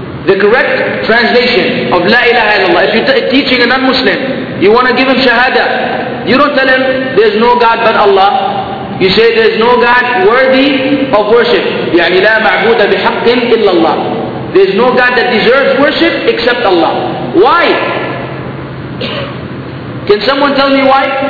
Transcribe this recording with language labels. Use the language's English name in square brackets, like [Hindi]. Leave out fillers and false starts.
[English] The correct translation of La ilaha illallah, if you're teaching a non-Muslim, you want to give him shahada, you don't tell him there's no God but Allah. You say there's no God worthy of worship. [Arabic] يعني لا معبود بحق إلا الله. [English] There's no God that deserves worship except Allah. Why? Can someone tell me why?